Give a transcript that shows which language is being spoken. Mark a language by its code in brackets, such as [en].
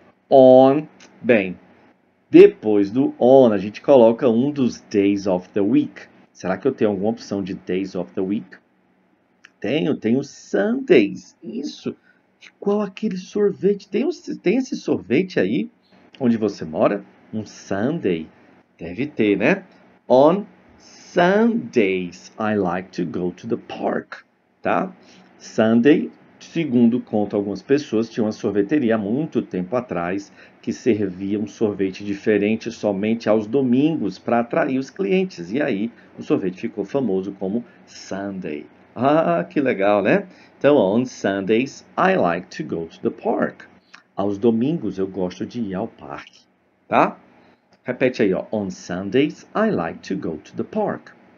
[pt] On, bem. Depois do on, a gente coloca um dos [en] days of the week. [pt] Será que eu tenho alguma opção de [en] days of the week? [pt] Tenho Sundays. Isso. E qual aquele sorvete? Tem esse sorvete aí onde você mora? Um Sunday. Deve ter, né? [en] On Sundays, I like to go to the park. [pt] Tá? Sunday, segundo conta algumas pessoas, tinha uma sorveteria muito tempo atrás que servia um sorvete diferente somente aos domingos para atrair os clientes. E aí, o sorvete ficou famoso como Sunday. Ah, que legal, né? Então, [en] on Sundays, I like to go to the park. [pt] Aos domingos, eu gosto de ir ao parque, tá? Repete aí, ó. [en] On Sundays, I like to go to the park.